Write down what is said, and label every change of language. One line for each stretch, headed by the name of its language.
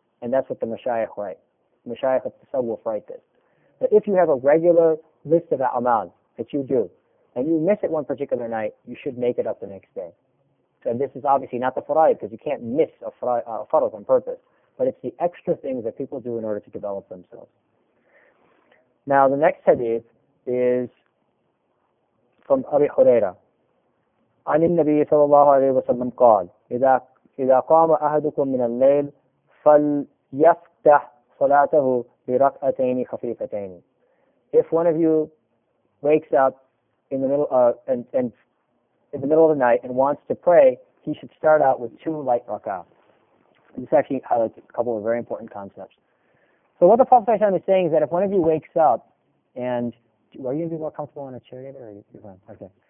English: And that's what the mashayikh write. Mashayikh of the tasawwuf write this. But if you have a regular list of amal that you do, and you miss it one particular night, you should make it up the next day. So this is obviously not the faraid, because you can't miss a farad on purpose. But it's the extra things that people do in order to develop themselves. Now, the next hadith is from Abi Huraira.
Arabic: عن النبي صلى الله عليه وسلم قال إذا قام أحدكم من الليل فليفتح صلاته بركعتين خفيفتين.
English: If one of you wakes up in the middle in the middle of the night and wants to pray, he should start out with 2 light rak'ah. This actually highlights a couple of very important concepts. So what the Prophet is saying is that if one of you wakes up and are you going to be more comfortable on a chair, David, or are you fine? Okay.